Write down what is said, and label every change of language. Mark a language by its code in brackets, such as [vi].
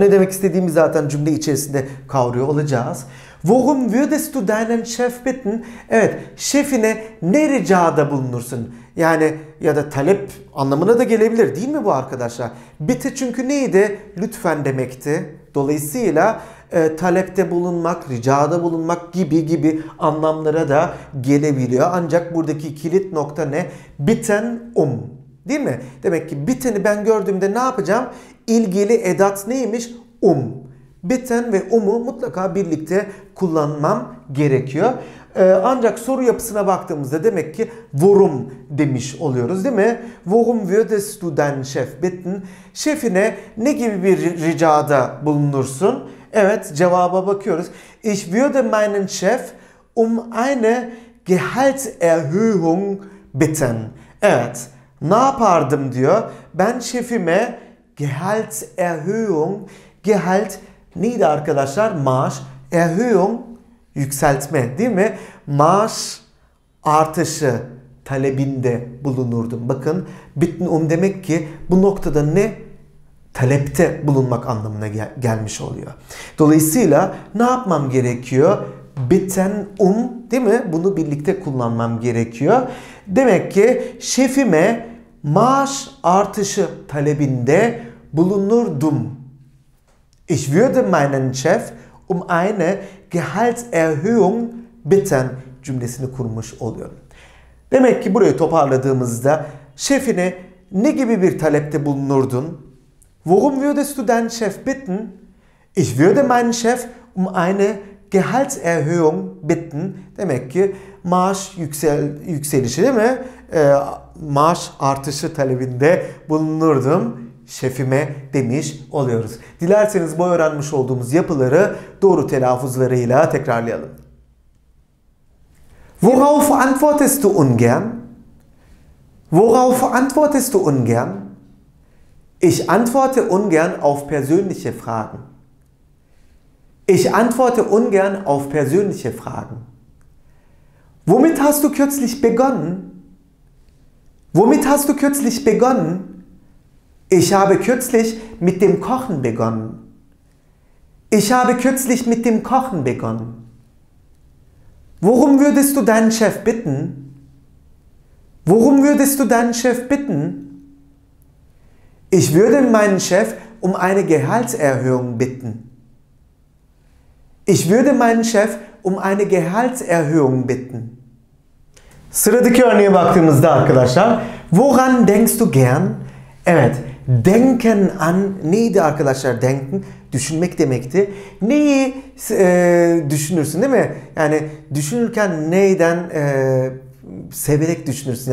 [tr] Ne demek istediğimi zaten cümle içerisinde kavruyor olacağız. [de] Worum würdest du deinen Chef bitten? [tr] Evet, şefine ne ricada bulunursun? Yani ya da talep anlamına da gelebilir değil mi bu arkadaşlar? Bitte çünkü neydi? Lütfen demekti. Dolayısıyla talepte bulunmak, ricada bulunmak gibi gibi anlamlara da gelebiliyor. Ancak buradaki kilit nokta ne? Bitten değil mi? Demek ki bitteni ben gördüğümde ne yapacağım? İlgili edat neymiş? Bitten ve umu mutlaka birlikte kullanmam gerekiyor. Ancak soru yapısına baktığımızda demek ki worum demiş oluyoruz değil mi? [de] Worum würdest du deinen Chef bitten? [tr] Şefine ne gibi bir ricada bulunursun? Evet, cevaba bakıyoruz. [de] Ich würde meinen Chef eine Gehaltserhöhung bitten. [tr] Evet, ne yapardım diyor. Ben şefime Gehaltserhöhung, Gehalt neydi arkadaşlar? Maaş, Erhöhung, yükseltme değil mi? Maaş artışı talebinde bulunurdum. Bakın, bitten demek ki bu noktada ne? Talepte bulunmak anlamına gelmiş oluyor. Dolayısıyla ne yapmam gerekiyor? Bitten değil mi? Bunu birlikte kullanmam gerekiyor. Demek ki şefime maaş artışı talebinde bulunurdum. [de] Ich würde meinen Chef eine Gehaltserhöhung bitten [tr] cümlesini kurmuş oluyorum. Demek ki burayı toparladığımızda şefine ne gibi bir talepte bulunurdun? [de] Worum würdest du deinen Chef bitten? Ich würde meinen Chef eine Gehaltserhöhung bitten. [tr] Demek ki maaş yükselişi değil mi? Maaş artışı talebinde bulunurdum. Şefime demiş oluyoruz. Dilerseniz bu öğrenmiş olduğumuz yapıları doğru telaffuzlarıyla tekrarlayalım. [de] Worauf antwortest du ungern? Worauf antwortest du ungern? Ich antworte ungern auf persönliche Fragen. Ich antworte ungern auf persönliche Fragen. Womit hast du kürzlich begonnen? Womit hast du kürzlich begonnen? Ich habe kürzlich mit dem Kochen begonnen. Ich habe kürzlich mit dem Kochen begonnen. Worum würdest du deinen Chef bitten? Worum würdest du deinen Chef bitten? Ich würde meinen Chef eine Gehaltserhöhung bitten. Ich würde meinen Chef eine Gehaltserhöhung bitten. [tr] Sıradaki örneğe baktığımızda arkadaşlar, [de] woran denkst du gern? [tr] Evet. Denken an neydi arkadaşlar? Denken düşünmek demekti. Neyi düşünürsün değil mi? Yani düşünürken neyden severek düşünürsün?